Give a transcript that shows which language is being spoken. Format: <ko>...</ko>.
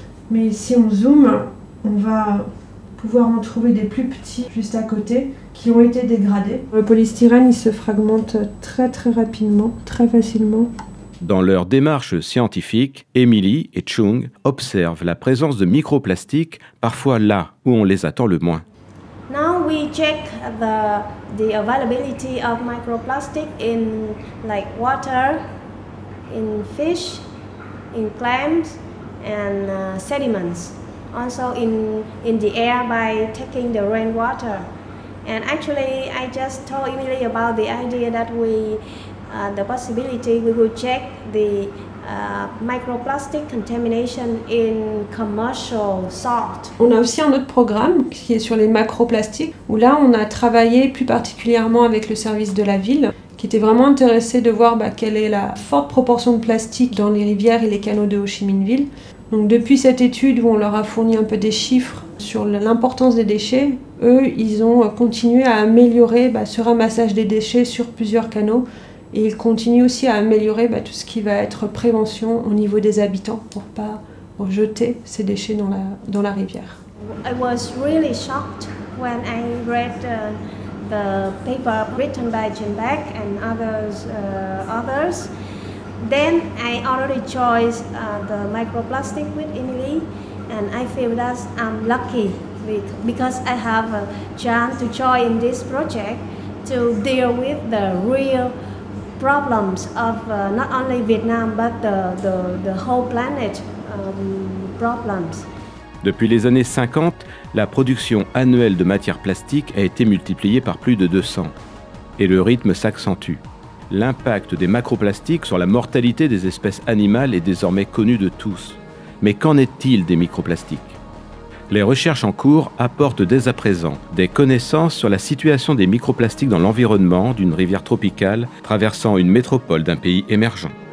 <fr>Mais si on zoome, on va pouvoir en trouver des plus petits juste à côté qui ont été dégradés. Le polystyrène, il se fragmente très très rapidement, très facilement. Dans leur démarche scientifique, Emily et Chung observent la présence de microplastiques parfois là où on les attend le moins.</fr> <en>Now we check the availability of microplastic in like water, in fish, in clams and sediments. Also in the air by taking the rainwater. And actually I just told Emily about the idea that we the possibility we will check the microplastic contamination in commercial salt.</en> <fr>On a aussi un autre programme qui est sur les macroplastiques où là on a travaillé plus particulièrement avec le service de la ville qui était vraiment intéressé de voir quelle est la forte proportion de plastique dans les rivières et les canaux de Ho Chi Minh Ville. Donc depuis cette étude où on leur a fourni un peu des chiffres sur l'importance des déchets, eux ils ont continué à améliorer ce ramassage des déchets sur plusieurs canaux. Et ils continuent aussi à améliorer tout ce qui va être prévention au niveau des habitants pour ne pas jeter ces déchets dans la rivière.</fr> <en>I was really shocked when I read the paper written by Jim Beck and others. Then I already chose the microplastic with Emily, and I feel that I'm lucky because I have a chance to join this project to deal with the real problems of not only Vietnam but the whole planet problems.</en> <fr>Depuis les années 50, la production annuelle de matières plastiques a été multipliée par plus de 200 et le rythme s'accentue. L'impact des macroplastiques sur la mortalité des espèces animales est désormais connu de tous. Mais qu'en est-il des microplastiques? Les recherches en cours apportent dès à présent des connaissances sur la situation des microplastiques dans l'environnement d'une rivière tropicale traversant une métropole d'un pays émergent.</fr>